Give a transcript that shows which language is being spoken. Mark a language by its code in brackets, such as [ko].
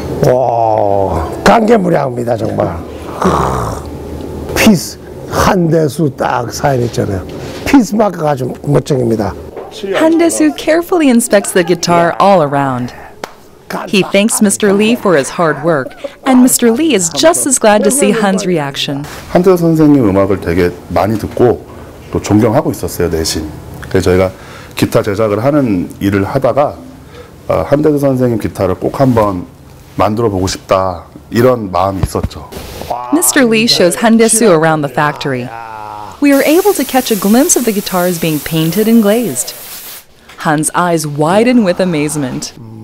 [ko] 와, 감개무량입니다 정말. 피스 한대수 딱 사인했잖아요. 피스 마크가 아주 멋쟁입니다. [en] Hahn Dae-soo carefully inspects the guitar all around. He thanks Mr. Lee for his hard work, and Mr. Lee is just as glad to see Han's reaction. [ko] 한대 선생님 음악을 되게 많이 듣고 또 존경하고 있었어요 내심. 그래서 저희가 기타 제작을 하는 일을 하다가 한대수 선생님 기타를 꼭 한번 만들어 보고 싶다 이런 마음이 있었죠. [en] Mr. Lee shows Hahn Dae-soo around the factory. We are able to catch a glimpse of the guitars being painted and glazed. Han's eyes widen with amazement.